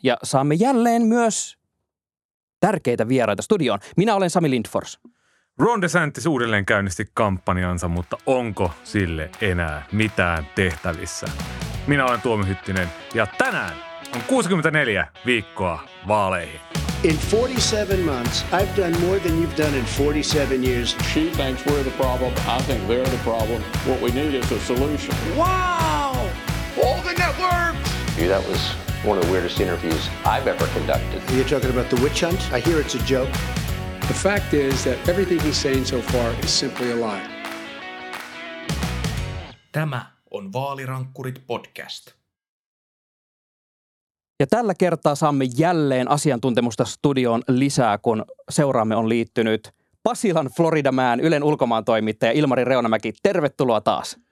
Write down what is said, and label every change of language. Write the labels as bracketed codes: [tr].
[fi] Ja saamme jälleen myös tärkeitä vieraita studioon. Minä olen Sami Lindfors. Ron DeSantis uudelleen käynnisti kampanjansa, mutta onko sille enää mitään tehtävissä? Minä olen Tuomi Hyttinen ja tänään on 64 viikkoa vaaleihin. [en] In 47 months, I've done more than you've done in 47 years. She thinks we're the problem. I think they're the problem. What we need is a solution. Wow! All the networks! Yeah, that was one of the weirdest interviews I've ever conducted. Are you talking about the witch hunt? I hear it's a joke. The fact is that everything he's saying so far is simply a lie. [fi] Tämä on Vaalirankkurit podcast. Ja tällä kertaa saamme jälleen asiantuntemusta studioon lisää, kun seuraamme on liittynyt Pasilan Floridamään Ylen ulkomaantoimittaja Ilmari Reunamäki. Tervetuloa taas.